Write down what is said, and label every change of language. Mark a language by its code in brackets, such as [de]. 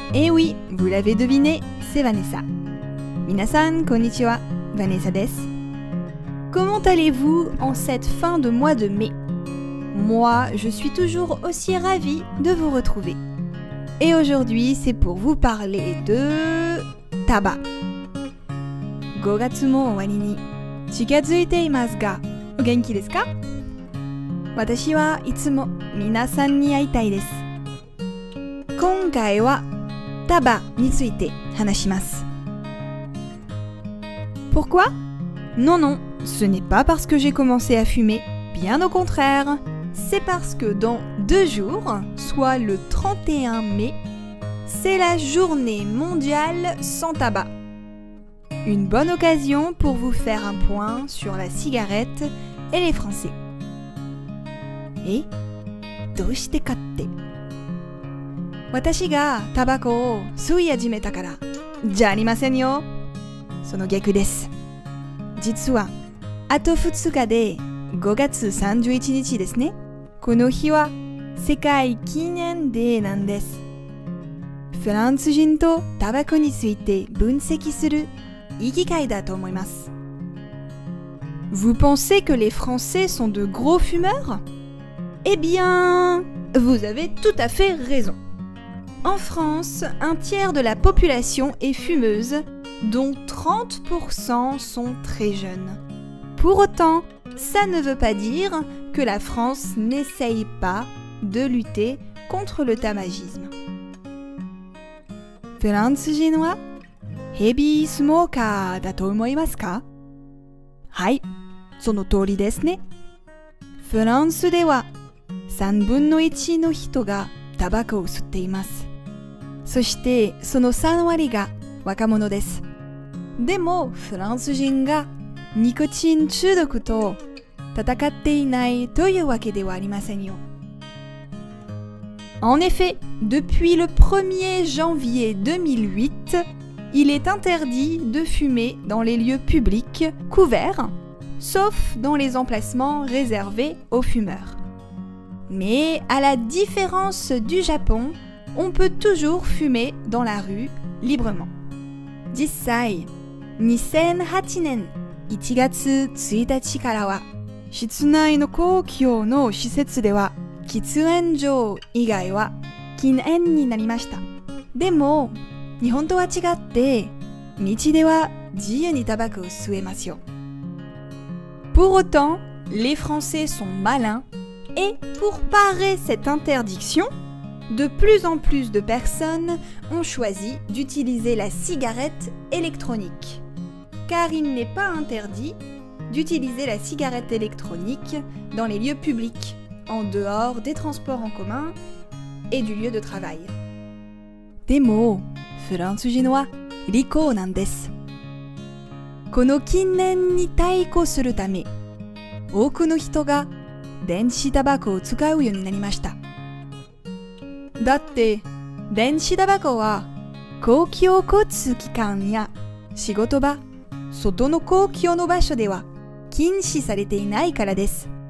[fr] Eh oui, vous l'avez deviné, c'est Vanessa. [ja] 皆さんこんにちは、Vanessa です。 [fr] Comment allez-vous en cette fin de mois de mai? Moi, je suis toujours aussi ravie de vous retrouver. Et aujourd'hui, c'est pour vous parler de tabac. [ja] 5月も終わりに近づいていますが、お元気ですか？私はいつも皆さんに会いたいです。今回はタバについて話します。 [fr] Pourquoi? Non, non, ce n'est pas parce que j'ai commencé à fumer. Bien au contraire, c'est parce que dans deux jours, soit le 31 mai, c'est la journée mondiale sans tabac. Une bonne occasion pour vous faire un point sur la cigarette et les Français. [ja] Et どうしてかって。私がタバコを吸い始めたから。じゃありませんよ。その逆です。実は、あと2日で5月31日ですね。この日は世界禁煙デーなんです。フランス人とタバコについて分析するいい機会だと思います。 [fr] Vous pensez que les Français sont de gros fumeurs? Eh bien, vous avez tout à fait raison. En France, un tiers de la population est fumeuse, dont 30% sont très jeunes. Pour autant, ça ne veut pas dire que la France n'essaye pas de lutter contre le tabagisme. [ja] フランス人はヘビースモーカーだと思いますか？はい、その通りですね。フランスでは3分の1の人がタバコを吸っています。そしてその3割が若者です。でもフランス人がニコチン中毒と戦っていないというわけではありませんよ。 [fr] En effet, depuis le 1er janvier 2008,Il est interdit de fumer dans les lieux publics couverts, sauf dans les emplacements réservés aux fumeurs. Mais à la différence du Japon, on peut toujours fumer dans la rue librement. [ja] 実際、2008年1月1日からは、室内の公共の施設では、喫煙所以外は禁煙になりました。でも、日本とは違って、道では自由にタバコを吸えますよ。 [fr] Pour autant, les Français sont malins et pour parer cette interdiction, de plus en plus de personnes ont choisi d'utiliser la cigarette électronique. Car il n'est pas interdit d'utiliser la cigarette électronique dans les lieux publics, en dehors des transports en commun et du lieu de travail. Des mots! [ja] フランス人は利口なんです。この禁煙に対抗するため、多くの人が電子タバコを使うようになりました。だって、電子タバコは公共交通機関や仕事場、外の公共の場所では禁止されていないからです。